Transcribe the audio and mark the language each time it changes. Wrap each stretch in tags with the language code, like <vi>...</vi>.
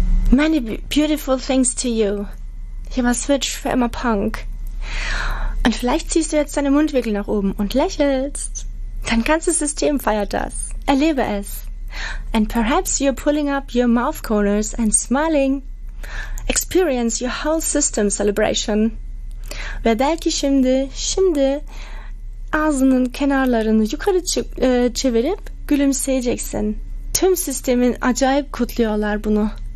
<en>Many beautiful things to you.</en> <de>Hier war Switch für immer Punk. Und vielleicht ziehst du jetzt deine Mundwinkel nach oben und lächelst. Dein ganzes System feiert das. Erlebe es.</de> <en>And perhaps you're pulling up your mouth corners and smiling. Experience your whole system celebration.</en> <tr>Ve belki şimdi ağzının kenarlarını yukarı çevirip gülümseyeceksin. Tüm sistemin acayip kutluyorlar bunu.</tr>